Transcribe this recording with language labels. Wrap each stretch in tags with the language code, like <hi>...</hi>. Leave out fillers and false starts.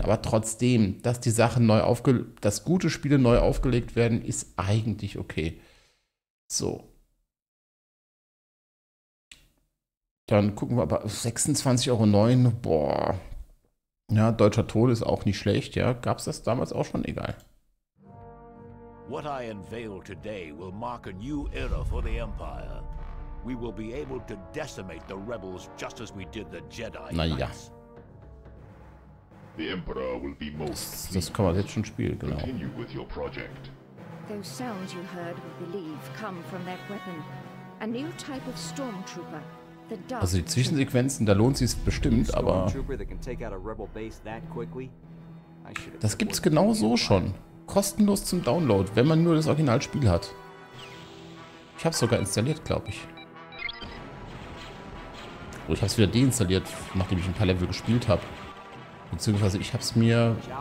<de>Aber trotzdem, dass die Sachen neu dass gute Spiele neu aufgelegt werden, ist eigentlich okay. So. Dann gucken wir aber 26,09 €. Boah. Ja, Deutscher Tod ist auch nicht schlecht, ja. Gab's das damals auch schon? Egal.</de> <en>What I unveil today will mark a new era for the Empire. We will be able to decimate the rebels just as we did the Jedi.</en> <de>Naja.</de> <en>The Emperor will be most.</en> <de>Das kann man jetzt schon spielen, genau.</de> <en>Continue with your project. Those sounds you heard, we believe, come from that weapon. A new type of stormtrooper. The dark.</en> <de>Also die Zwischensequenzen, da lohnt sich's bestimmt, aber.</de> <en>Stormtrooper that can take out a rebel base that quickly.</en> <de>Das gibt's genau so schon, kostenlos zum Download, wenn man nur das Originalspiel hat. Ich hab's sogar installiert, glaube ich. Ich habe es wieder deinstalliert, nachdem ich ein paar Level gespielt habe. Beziehungsweise ich habe es mir...</de>